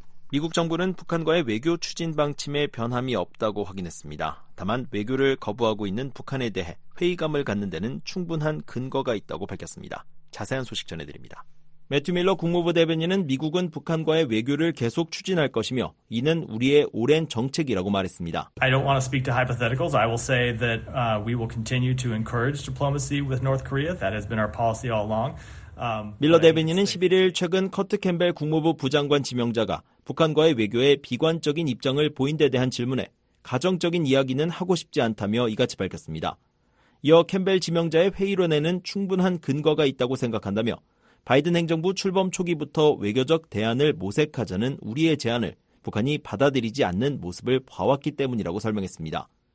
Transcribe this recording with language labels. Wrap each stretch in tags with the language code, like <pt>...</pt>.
<ko>미국 정부는 북한과의 외교 추진 방침에 변함이 없다고 확인했습니다. 다만 외교를 거부하고 있는 북한에 대해 회의감을 갖는 데는 충분한 근거가 있다고 밝혔습니다. 자세한 소식 전해드립니다. 매튜 밀러 국무부 대변인은 미국은 북한과의 외교를 계속 추진할 것이며 이는 우리의 오랜 정책이라고 말했습니다.</ko> <en>I don't want to speak to hypotheticals. I will say that we will continue to encourage diplomacy with North Korea. That has been our policy all along.</en> <ko>밀러 대변인은 11일 최근 커트 캠벨 국무부 부장관 지명자가 북한과의 외교에 비관적인 입장을 보인 데 대한 질문에 가정적인 이야기는 하고 싶지 않다며 이같이 밝혔습니다. 이어 캠벨 지명자의 회의론에는 충분한 근거가 있다고 생각한다며 바이든 행정부 출범 초기부터 외교적 대안을 모색하자는 우리의 제안을 북한이 받아들이지 않는 모습을 봐왔기 때문이라고 설명했습니다.</ko>